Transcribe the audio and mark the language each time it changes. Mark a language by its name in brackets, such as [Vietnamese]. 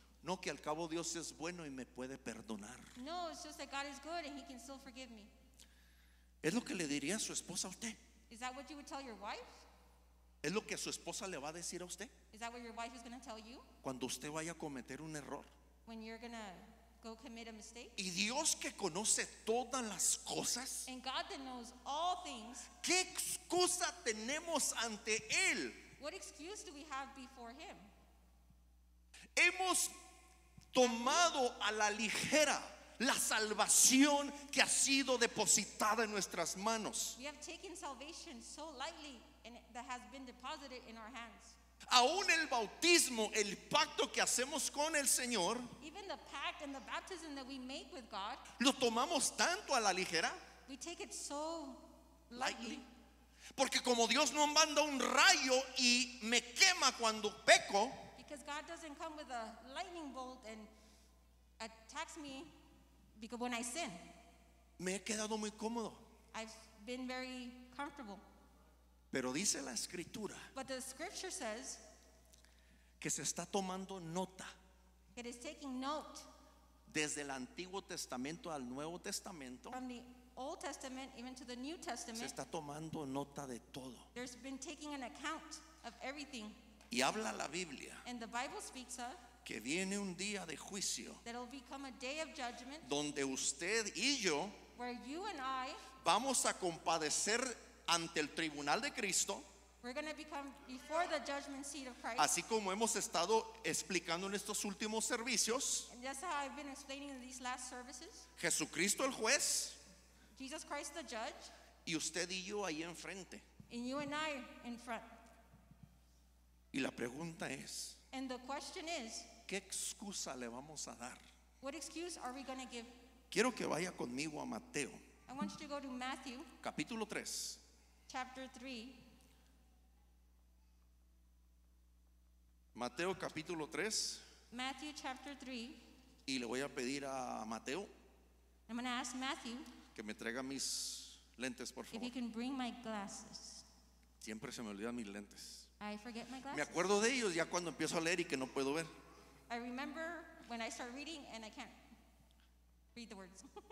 [Spanish] No, que al cabo Dios es bueno y me puede perdonar. [English] No, it's just that God is good and he can still forgive me. [Spanish] ¿Es lo que le diría a su esposa a usted? [English] Is that what you would tell your wife? [Spanish] ¿Es lo que su esposa le va a decir a usted? [English] Is that what your wife is going to tell you? [Spanish] Cuando usted vaya a cometer un error. [English] When you're going to go commit a mistake. [Spanish] Y Dios que conoce todas las cosas. [English] And God that knows all things. [Spanish] ¿Qué excusa tenemos ante Él? [English] What excuse do we have before Him? [Spanish] Hemos tomado a la ligera la salvación que ha sido depositada en nuestras manos. [English] We have taken salvation so lightly and that has been deposited in our hands. [Spanish] Aún el bautismo, el pacto que hacemos con el Señor, [English] even the pact and the baptism that we make with God, [Spanish] lo tomamos tanto a la ligera. [English] We take it so lightly. [Spanish] Porque como Dios no manda un rayo y me quema cuando peco, [English] because God doesn't come with a lightning bolt and attacks me because when I sin, [Spanish] me he quedado muy cómodo. [English] I've been very comfortable. [Spanish] Pero dice la escritura, [English] but the scripture says, [Spanish] que se está tomando nota. [English] It is taking note. [Spanish] Desde el Antiguo Testamento al Nuevo Testamento. [English] From the Old Testament even to the New Testament. [Spanish] Se está tomando nota de todo. [English] There's been taking an account of everything. [Spanish] Y habla la Biblia. [English] And the Bible speaks of, [Spanish] que viene un día de juicio. [English] That'll become a day of judgment. [Spanish] Donde usted y yo, [English] where you and I, [Spanish] vamos a compadecer ante el tribunal de Cristo. [English] We're going to become before the judgment seat of Christ. [Spanish] Así como hemos estado explicando en estos últimos servicios. [English] And just how I've been explaining in these last services. [Spanish] Jesucristo el juez. [English] Jesus Christ the judge. [Spanish] Y usted y yo ahí enfrente. [English] And you and I in front. [Spanish] Y la pregunta es, [English] and the question is, [Spanish] ¿qué excusa le vamos a dar? [English] What excuse are we going to give? [Spanish] Quiero que vaya conmigo a Mateo. [English] I want you to go to Matthew. [Spanish] Capítulo 3. [English] Chapter 3. [Spanish] Mateo capítulo 3. [English] Matthew chapter 3. [Spanish] Y le voy a pedir a Mateo, [English] I'm going to ask Matthew, [Spanish] que me traiga mis lentes, por favor. [English] If he can bring my glasses. [Spanish] Siempre se me olvidan mis lentes. [English] I forget my glasses. [Spanish] Me acuerdo de ellos ya cuando empiezo a leer y que no puedo ver. [English] I remember when I start reading and I can't read the words.